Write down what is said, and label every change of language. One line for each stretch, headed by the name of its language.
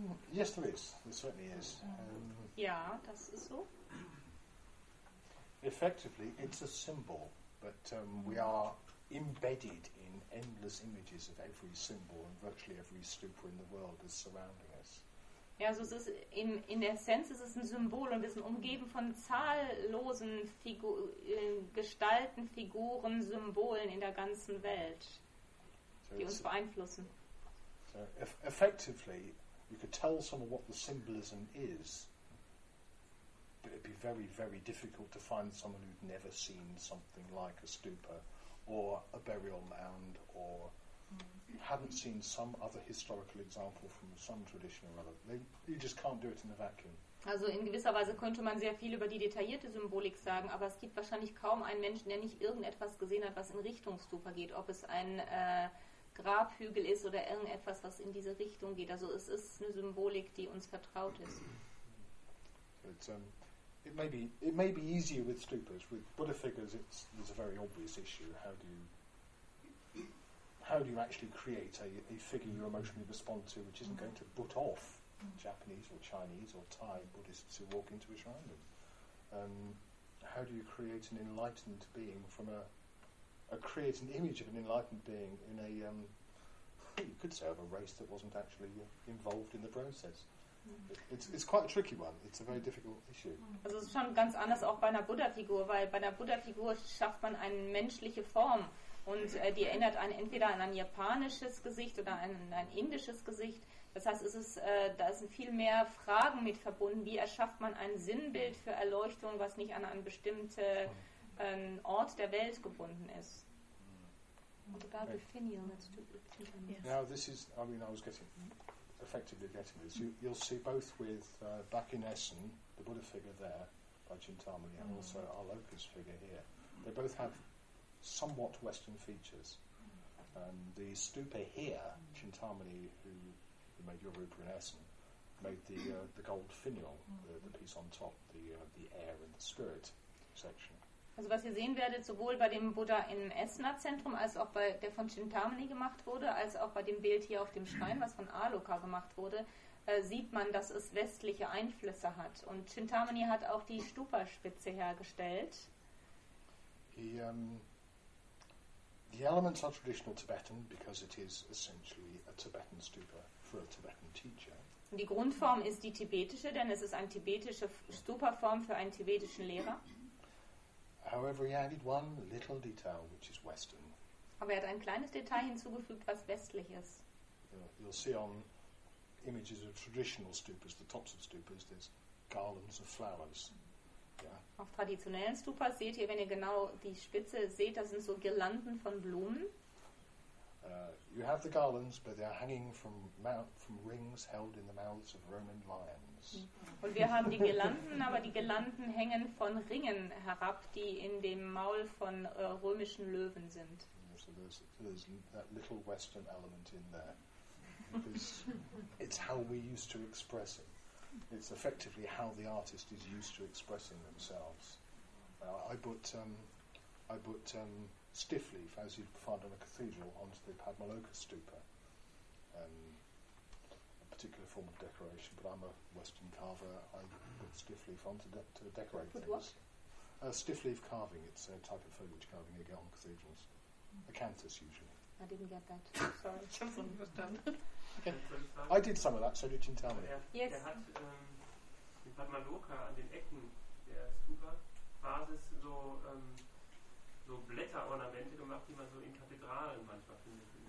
English: Yes, there is. There certainly is.
German: Yeah, das ist so.
English: Effectively, it's a symbol, but we are embedded in endless images of every symbol and virtually every stupa in the world is surrounding us.
German: Ja, also es ist in der Sense es ist ein Symbol und wir sind umgeben von zahllosen Gestalten, Figuren, Symbolen in der ganzen Welt, so die uns beeinflussen.
English: So effectively, you could tell someone what the symbolism is, but it'd be very, very difficult to find someone who'd never seen something like a stupa or a burial mound or hadn't seen some other historical example from some tradition or other. You just can't do it in a vacuum.
German: Also in gewisser Weise könnte man sehr viel über die detaillierte Symbolik sagen, aber es gibt wahrscheinlich kaum einen Menschen, der nicht irgendetwas gesehen hat, was in Richtung Stupa geht, ob es ein Grabhügel ist oder irgendetwas, was in diese Richtung geht. Also es ist eine Symbolik, die uns vertraut ist.
English: It may be easier with stupas. With Buddha figures, it's a very obvious issue. How do you actually create a figure you emotionally respond to, which isn't going to butt off Japanese or Chinese or Thai Buddhists who walk into a shrine? How do you create an enlightened being from a create an image of an enlightened being in a you could say of a race that wasn't actually involved in the process? It's quite a tricky one. It's a very difficult issue.
German: Also es ist schon ganz anders auch bei einer Buddha-Figur, weil bei einer Buddha-Figur schafft man eine menschliche Form und die erinnert einen entweder an ein japanisches Gesicht oder ein indisches Gesicht. Das heißt, da sind viel mehr Fragen mit verbunden. Wie erschafft man ein Sinnbild für Erleuchtung, was nicht an einen bestimmten Ort der Welt gebunden ist?
English: What about the finial? Now this is, I mean, I was getting... effectively getting this. You'll see both with back in Essen, the Buddha figure there by Chintamani, and also our locus figure here. They both have somewhat Western features. The stupa here, Chintamani, who made your rupa in Essen, made the gold finial, the piece on top, the air and the spirit section.
German: Also was ihr sehen werdet, sowohl bei dem Buddha im Essener Zentrum, als auch bei der von Chintamani gemacht wurde, als auch bei dem Bild hier auf dem Schrein, was von Aloka gemacht wurde, sieht man, dass es westliche Einflüsse hat. Und Chintamani hat auch die Stupa-Spitze hergestellt.
English: The elements are traditional Tibetan, because it is essentially a Tibetan stupa for a Tibetan teacher.
German: Und die Grundform ist die tibetische, denn es ist eine tibetische Stupa-Form für einen tibetischen Lehrer.
English: However, he added one little detail, which is Western.
German: Aber er hat ein kleines Detail hinzugefügt, was westlich ist.
English: You'll see on images of traditional stupas, the tops of stupas, there's garlands of flowers. Yeah.
German: Auf traditionellen Stupas seht ihr, wenn ihr genau die Spitze seht, das sind so Girlanden von Blumen.
English: You have the garlands, but they are hanging from rings held in the mouths of Roman lions.
German: Und wir haben die Girlanden, aber die Girlanden hängen von Ringen herab, die in dem Maul von römischen Löwen sind.
English: Yeah, so there's that little Western element in there. It's how we used to express it. It's effectively how the artist is used to expressing themselves. I put stiffleaf, as you'd find on a cathedral, onto the Padmaloka stupa, a particular form of decoration. But I'm a Western carver. I put stiffleaf onto to decorate put things. What? Stiffleaf carving. It's a type of foliage carving you get on cathedrals. Acanthus, usually. I didn't get that. Sorry, I did some of that. So did Chintamani. Yes.
German: Er hat, Padmaloka an den Ecken der Stupa-Basis so, so Blätterornamente gemacht, die man so in Kathedralen manchmal findet.